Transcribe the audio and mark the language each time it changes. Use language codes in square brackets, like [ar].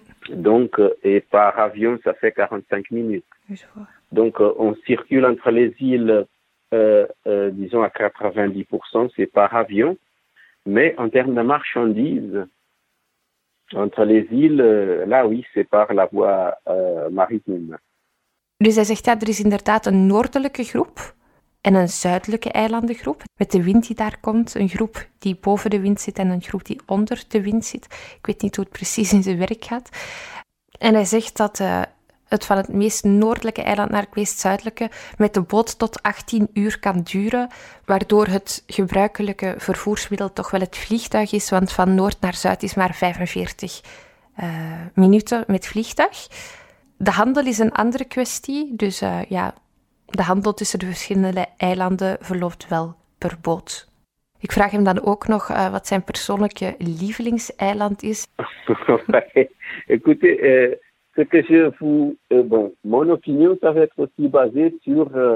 [fr] Donc, et par avion, ça fait 45 minutes. Donc, on circule entre les îles, disons à 90%, c'est par avion. Mais en termes de marchandises, entre les îles, là oui, c'est par la voie maritime. [nl] Dus hij zegt dat er is inderdaad een noordelijke groep en een zuidelijke eilandengroep. Met de wind die daar komt, een groep die boven de wind zit en een groep die onder de wind zit. Ik weet niet hoe het precies in zijn werk gaat. En hij zegt dat het van het meest noordelijke eiland naar het meest zuidelijke met de boot tot 18 uur kan duren, waardoor het gebruikelijke vervoersmiddel toch wel het vliegtuig is, want van noord naar zuid is maar 45 minuten met vliegtuig. De handel is een andere kwestie, dus de handel tussen de verschillende eilanden verloopt wel per boot. Ik vraag hem dan ook nog wat zijn persoonlijke lievelingseiland is. [fr] Écoutez, ce que je vous, mon opinion, ça va être aussi basé sur.